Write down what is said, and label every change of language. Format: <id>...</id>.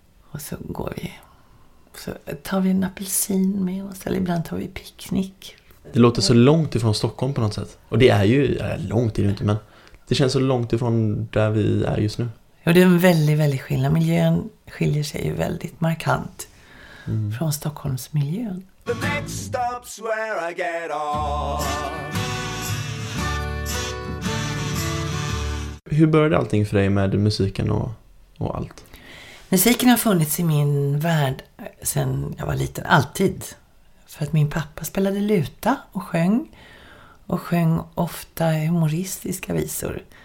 <sv>Och så går vi. Så tar vi en apelsin med oss, eller ibland tar vi picknick. Det låter så långt ifrån Stockholm på något sätt. Och det är ju långt, är det inte, men det känns så långt ifrån där vi är just nu. Ja, det är en väldigt, väldigt skillnad. Miljön skiljer sig ju väldigt markant från Stockholms miljön.</sv> <en>The next stop's where I get off.</en> <sv>Hur började allting för dig med musiken och allt? Musiken har funnits i min värld sedan jag var liten, alltid. För att min pappa spelade luta och sjöng. Och sjöng ofta humoristiska visor.</sv>